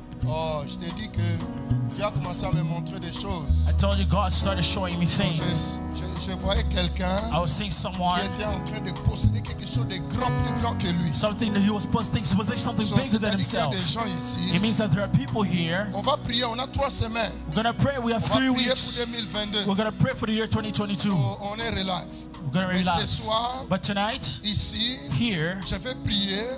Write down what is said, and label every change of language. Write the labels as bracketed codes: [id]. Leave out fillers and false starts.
[fr] Oh, je t'ai dit que Dieu a commencé à me montrer des choses. [en] I told you God started showing me things. [fr] Je voyais quelqu'un qui était en train de posséder quelque chose de grand, plus grand que lui. [en] Something that he was possessing, something bigger than himself. [fr] Il y a des gens ici. [en] It means that there are people here. [fr] On va prier. On a trois semaines. [en] We're gonna pray. We have three weeks. [fr] On va prier pour 2022. [en] We're gonna pray for the year 2022. [fr] On est relax. [en] We're going to relax. [fr] Ce soir, [en] but tonight, [fr] ici, [en] here, [fr] je vais prier,